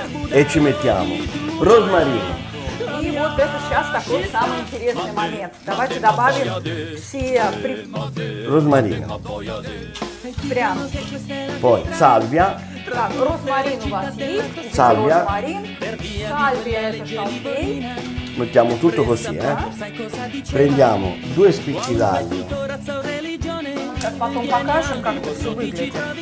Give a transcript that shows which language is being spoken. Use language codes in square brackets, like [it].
[it] E ci mettiamo rosmarino. [ru] И вот это сейчас такой самый интересный момент. Давайте добавим все розмарину. Прям. [it] Poi salvia. [ru] Так, розмарин у вас есть? [it] Salvia. [ru] Розмарин. Salvia это шалфей. [it] Mettiamo tutto così, Prendiamo due spicchi d'aglio. [ru] Потом покажем, как это все выглядит.